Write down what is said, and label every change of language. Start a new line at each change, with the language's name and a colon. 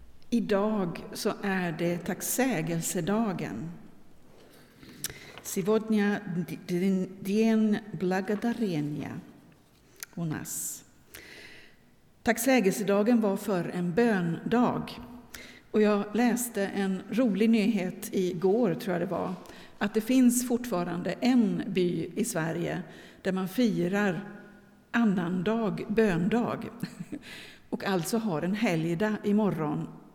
Swedish: Idag så är det tacksägelsedagen.
Russian: Сегодня день благодарения у нас.
Swedish: Tacksägelsedagen var för en böndag. Och jag läste en rolig nyhet igår, tror jag det var, att det finns fortfarande en by i Sverige där man firar annandag, böndag, och alltså har en helgdag imorgon.